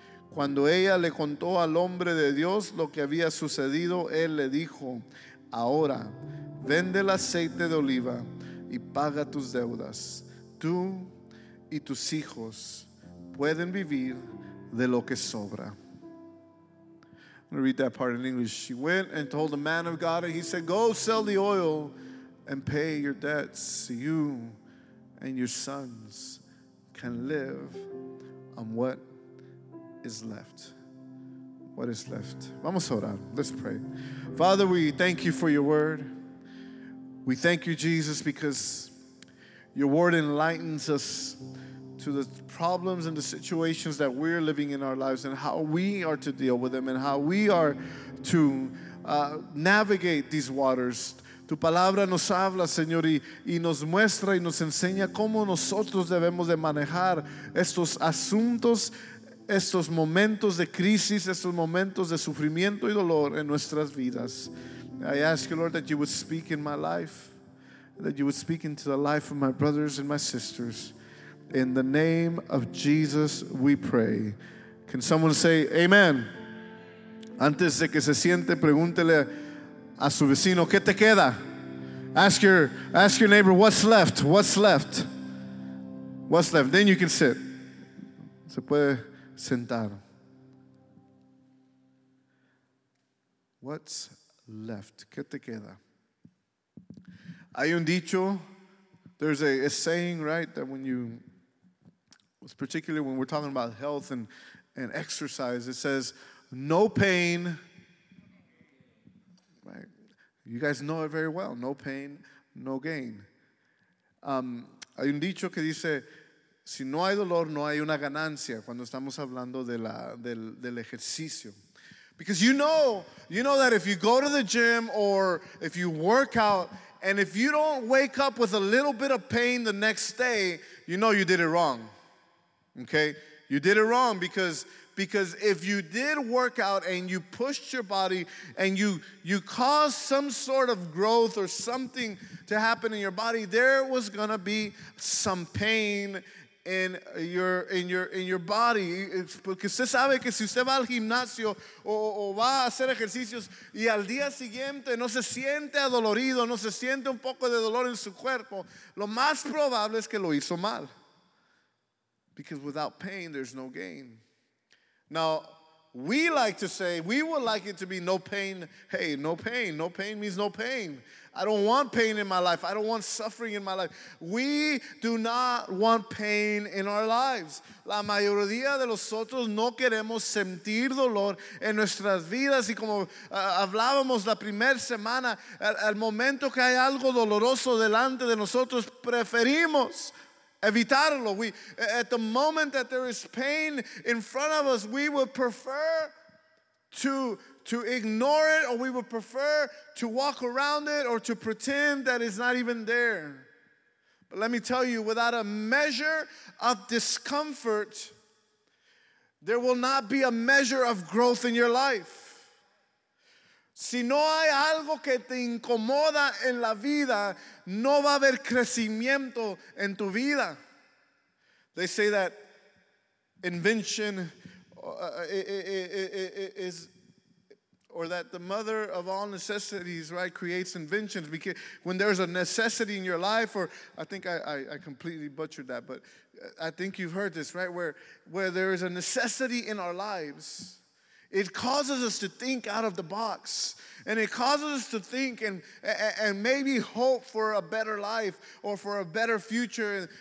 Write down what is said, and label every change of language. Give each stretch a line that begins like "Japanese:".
Spanish: Cuando ella le contó al hombre de Dios lo que había sucedido, él le dijo: ahora vende el aceite de oliva y paga tus deudas. Tú y tus hijos pueden vivir de lo que sobra.
English: I'm going to read that part in English. She went and told the man of God, and he said, go sell the oil and pay your debts. You and your sons can live on what is left. What is left.
Spanish: Vamos a orar.
English: Let's pray. Father, we thank you for your word. We thank you, Jesus, because your word enlightens us to the problems and the situations that we're living in our lives and how we are to deal with them and how we are to navigate these waters.
Spanish: Tu palabra nos habla, Señor, y nos muestra y nos enseña cómo nosotros debemos de manejar estos asuntos, estos momentos de crisis, estos momentos de sufrimiento y dolor en nuestras vidas.
English: I ask you, Lord, that you would speak in my life, that you would speak into the life of my brothers and my sisters. In the name of Jesus, we pray. Can someone say amen?
Spanish: Antes de que se siente, pregúntele a su vecino, ¿qué te queda?
English: Ask your neighbor, what's left? What's left? What's left? Then you can sit.
Spanish: Se puede sentar.
English: What's left?
Spanish: ¿Qué te queda? Hay un dicho,
English: there's a saying, right, that when you, particularly when we're talking about health and exercise, it says, no pain, right? You guys know it very well. No pain, no gain.
Spanish: Hay un dicho que dice, si no hay dolor, no hay una ganancia, cuando estamos hablando del ejercicio.
English: Because you know that if you go to the gym or if you work out, and if you don't wake up with a little bit of pain the next day, you know you did it wrong. Okay? You did it wrong because if you did work out and you pushed your body and you caused some sort of growth or something to happen in your body, there was going to be some pain in your body.
Spanish: Porque usted sabe que si usted va al gimnasio o va a hacer ejercicios y al día siguiente no se siente adolorido, no se siente un poco de dolor en su cuerpo, lo más probable es que lo hizo mal.
English: Because without pain, there's no gain. Now, we would like it to be no pain. Hey, no pain. No pain means no pain. I don't want pain in my life. I don't want suffering in my life. We do not want pain in our lives.
Spanish: La mayoría de nosotros no queremos sentir dolor en nuestras vidas. Y como hablábamos la primera semana, al momento que hay algo doloroso delante de nosotros, preferimos evitarlo.
English: We, at the moment that there is pain in front of us, we would prefer to ignore it, or we would prefer to walk around it, or to pretend that it's not even there. But let me tell you, without a measure of discomfort, there will not be a measure of growth in your life.
Spanish: Si no hay algo que te incomoda en la vida, no va a haber crecimiento en tu vida.
English: They say that invention is, or that the mother of all necessities, right, creates inventions. Because when there's a necessity in your life, or I think I completely butchered that, but I think you've heard this, right, where there is a necessity in our lives, it causes us to think out of the box, and it causes us to think and maybe hope for a better life or for a better future.